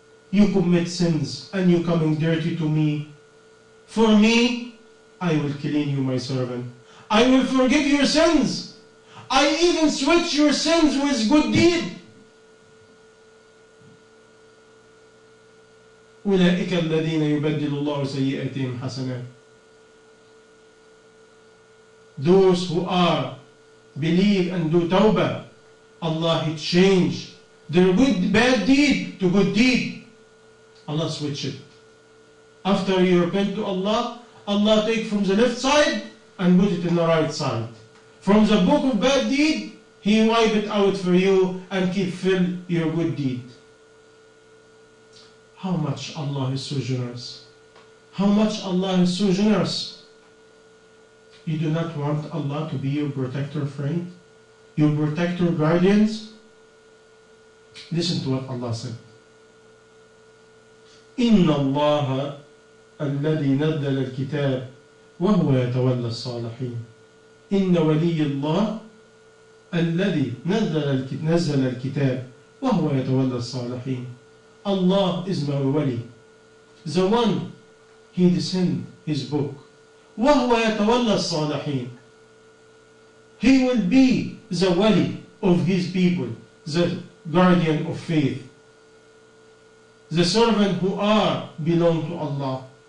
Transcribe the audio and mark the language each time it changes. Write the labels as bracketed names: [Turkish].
[English] You commit sins and you coming dirty to me, for me, I will clean you, my servant. I will forgive your sins. I even switch your sins with good deed. [Arabic] أولئك الذين يبدل الله سيئاتهم حسنات. [English] Those who are believe and do tawbah, Allah it change their good bad deed to good deed. Allah switch it. After you repent to Allah, Allah take from the left side and put it in the right side. From the book of bad deed, he wipe it out for you and keep fill your good deed. How much Allah is so generous. How much Allah is so generous. You do not want Allah to be your protector friend, your protector guardians. Listen to what Allah said. [Arabic] إِنَّ اللَّهَ الَّذِي نَزَّلَ الْكِتَابَ وَهُوَ يَتَوَلَّى الصَّالِحِينَ. إن ولي الله الذي نزل الكتاب وهو يتولى الصالحين. [English] Allah is my wali, the one he descend his book. [Arabic] وهو يتولى الصالحين, [English] he will be the wali of his people, the guardian of faith, the servant who are belong to Allah.